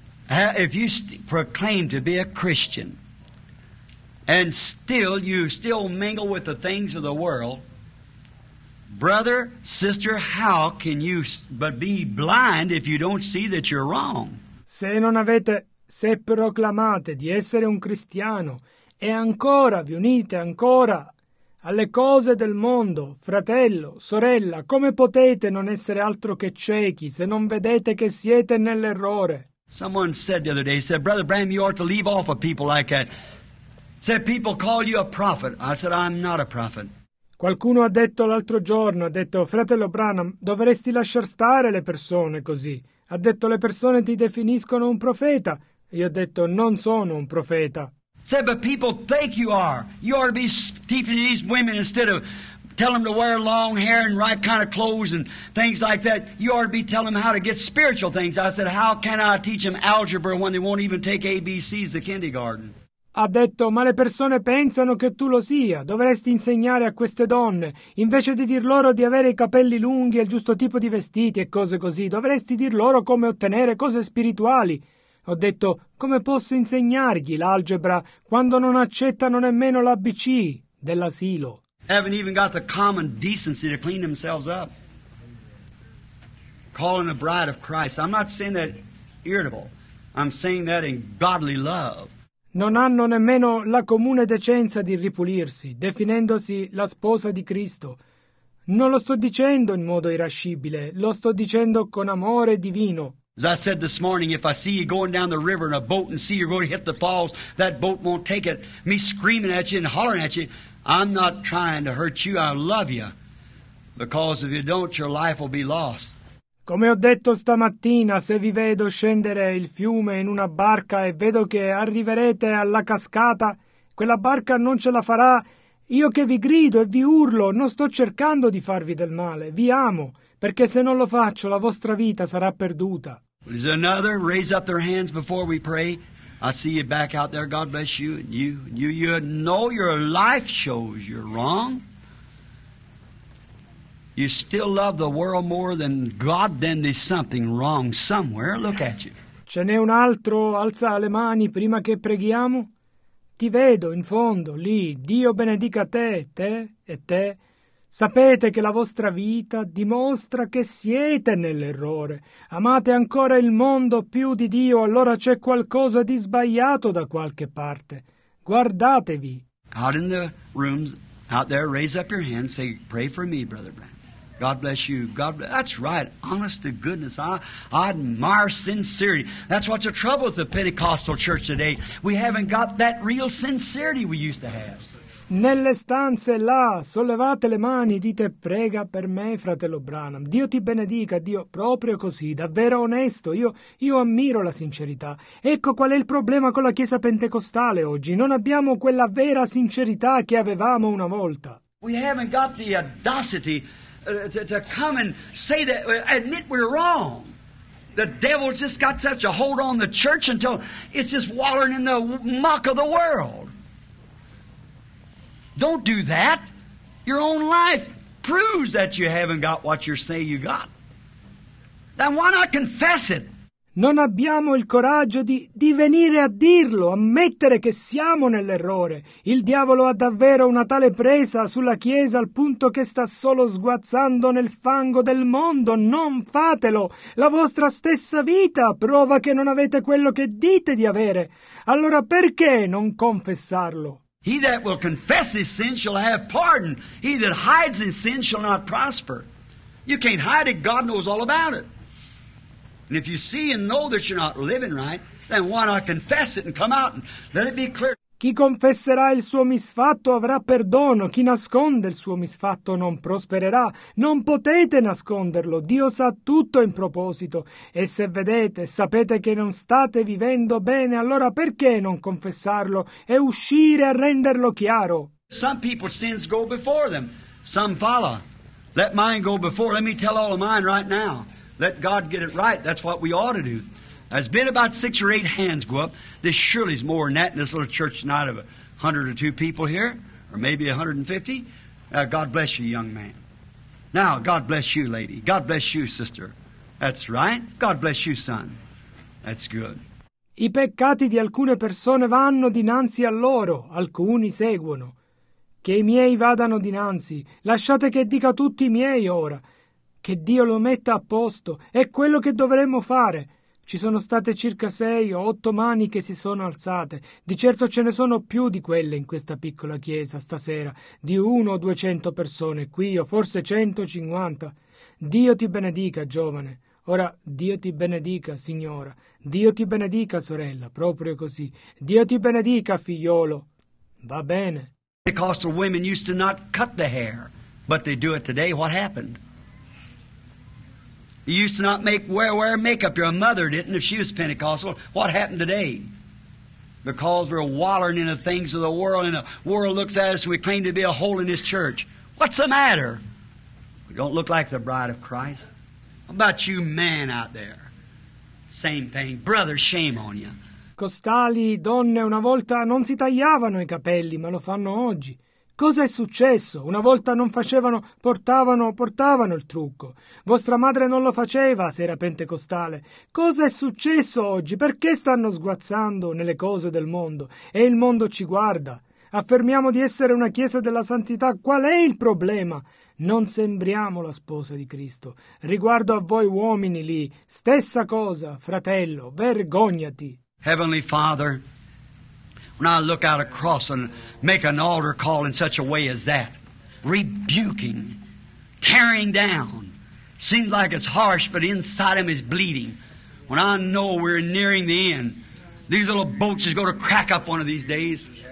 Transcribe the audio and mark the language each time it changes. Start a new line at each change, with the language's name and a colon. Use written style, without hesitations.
English: If you proclaim to be a Christian, and still you still mingle with the things of the world, brother, sister, how can you but be blind if you don't see that you're wrong?
Italian: Se proclamate di essere un cristiano e ancora vi unite ancora alle cose del mondo, fratello, sorella, come potete non essere altro che ciechi se non vedete che siete nell'errore?
English: Someone said the other day, said, Brother Bram, you ought to leave off of people like that. Said, people call you a prophet. I said, I'm not a prophet.
Italian: Qualcuno ha detto l'altro giorno, ha detto, fratello Branham, dovresti lasciar stare le persone così. Ha detto, le persone ti definiscono un profeta. Io ho detto, non sono un profeta.
English: Said, but people think you are. You ought to be teaching these women instead of telling them to wear long hair and right kind of clothes and things like that. You ought to be telling them how to get spiritual things. I said, how can I teach them algebra when they won't even take ABCs to kindergarten?
Italian: Ha detto, ma le persone pensano che tu lo sia. Dovresti insegnare a queste donne, invece di dir loro di avere i capelli lunghi e il giusto tipo di vestiti e cose così, dovresti dir loro come ottenere cose spirituali. Ho detto, come posso insegnargli l'algebra quando non accettano nemmeno l'ABC dell'asilo?
English: Haven't even got the common decency to clean themselves up. Calling the bride of Christ. I'm not saying that irritable. I'm saying that in godly love.
Italian: Non hanno nemmeno la comune decenza di ripulirsi, definendosi la sposa di Cristo. Non lo sto dicendo in modo irascibile, lo sto dicendo con amore divino.
English: As I said this morning, if I see you going down the river in a boat and see you're going to hit the falls, that boat won't take it. Me screaming at you and hollering at you, I'm not trying to hurt you, I love you. Because if you don't, your life will be lost.
Italian: Come ho detto stamattina, se vi vedo scendere il fiume in una barca e vedo che arriverete alla cascata, quella barca non ce la farà. Io che vi grido e vi urlo, non sto cercando di farvi del male, vi amo, perché se non lo faccio la vostra vita sarà perduta.
English: There's another, raise up their hands before we pray. I see you back out there, God bless you, and you know your life shows you're wrong. You still love the world more than God, then there's something wrong somewhere. Look at you.
Italian: Ce n'è un altro, alza le mani prima che preghiamo. Ti vedo in fondo, lì. Dio benedica te, te e te. Sapete che la vostra vita dimostra che siete nell'errore. Amate ancora il mondo più di Dio, allora c'è qualcosa di sbagliato da qualche parte. Guardatevi.
English: Out in the rooms, out there, raise up your hands, say, pray for me, Brother Brown. God bless you. God bless. That's right. Honest to goodness. I admire sincerity. That's what's the trouble with the Pentecostal church today. We haven't got that real sincerity we used to have.
Italian: Nelle stanze là, sollevate le mani, dite prega per me, fratello Branham. Dio ti benedica, Dio, proprio così, davvero onesto. Io ammiro la sincerità. Ecco qual è il problema con la Chiesa Pentecostale oggi. Non abbiamo quella vera sincerità che avevamo una volta.
English: We haven't got the audacity to come and say that, admit we're wrong. The devil's just got such a hold on the church until it's just wallowing in the muck of the world. Don't do that. Your own life proves that you haven't got what you say you got. Then why not confess it?
Italian: Non abbiamo il coraggio di venire a dirlo, ammettere che siamo nell'errore. Il diavolo ha davvero una tale presa sulla Chiesa al punto che sta solo sguazzando nel fango del mondo. Non fatelo! La vostra stessa vita prova che non avete quello che dite di avere. Allora perché non confessarlo?
English: He that will confess his sin shall have pardon. He that hides his sin shall not prosper. You can't hide it. God knows all about it. And if you see and know that you're not living right, then why not confess it and come out and let it be clear?
Italian: Chi confesserà il suo misfatto avrà perdono. Chi nasconde il suo misfatto non prospererà. Non potete nasconderlo. Dio sa tutto in proposito. E se vedete, sapete che non state vivendo bene, allora perché non confessarlo e uscire a renderlo chiaro?
English: Some people's sins go before them. Some follow. Let mine go before. Let me tell all of mine right now. Let God get it right. That's what we ought to do. There's been about 6 or 8 hands go up. This surely is more than that in this little church tonight of 102 people here, or maybe 150. Now, God bless you, young man. Now, God bless you, lady. God bless you, sister. That's right. God bless you, son. That's good.
Italian: I peccati di alcune persone vanno dinanzi a loro. Alcuni seguono. Che i miei vadano dinanzi. Lasciate che dica tutti i miei ora. Che Dio lo metta a posto. È quello che dovremmo fare. Ci sono state circa 6 o 8 mani che si sono alzate. Di certo ce ne sono più di quelle in questa piccola chiesa stasera, di 100 o 200 persone qui, o forse 150. Dio ti benedica, giovane. Ora, Dio ti benedica, signora. Dio ti benedica, sorella, proprio così. Dio ti benedica, figliolo. Va bene.
English: Pentecostal women used to not cut the hair, but they do it today. What happened? You used to not wear makeup. Your mother didn't if she was Pentecostal. What happened today? Because we're wallowing in the things of the world, and the world looks at us and we claim to be a holiness church. What's the matter? We don't look like the bride of Christ. How about you men out there? Same thing. Brother, shame on you.
Italian: Costali donne una volta non si tagliavano i capelli, ma lo fanno oggi. Cosa è successo? Una volta non facevano, portavano il trucco. Vostra madre non lo faceva se era pentecostale. Cosa è successo oggi? Perché stanno sguazzando nelle cose del mondo? E il mondo ci guarda. Affermiamo di essere una chiesa della santità. Qual è il problema? Non sembriamo la sposa di Cristo. Riguardo a voi uomini lì, stessa cosa, fratello, vergognati.
English: Heavenly Father, when I look out across and make an altar call in such a way as that, rebuking, tearing down, seems like it's harsh, but inside him is bleeding. When I know we're nearing the end, these little boats is going to crack up one of these days.